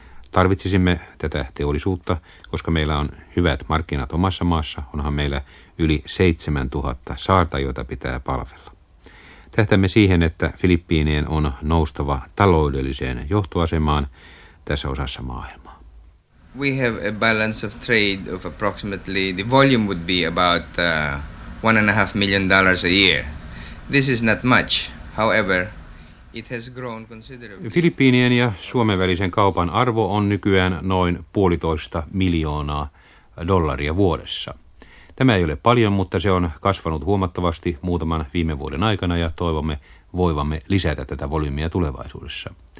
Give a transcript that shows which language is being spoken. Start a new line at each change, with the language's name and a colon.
Finnish: Tarvitsisimme tätä teollisuutta, koska meillä on hyvät markkinat omassa maassa. Onhan meillä yli 7000 saarta, joita pitää palvella. Tähtäämme siihen, että Filippiinien on noustava taloudelliseen johtoasemaan tässä osassa maailmaa.
English: We have a balance of trade of approximately, the volume would be about $1.5 million a year. This is not much. However, it has grown considerably.
Finnish: Filippiinien ja Suomen välisen kaupan arvo on nykyään noin 1,5 miljoonaa dollaria vuodessa. Tämä ei ole paljon, mutta se on kasvanut huomattavasti muutaman viime vuoden aikana ja toivomme voivamme lisätä tätä volyymia tulevaisuudessa.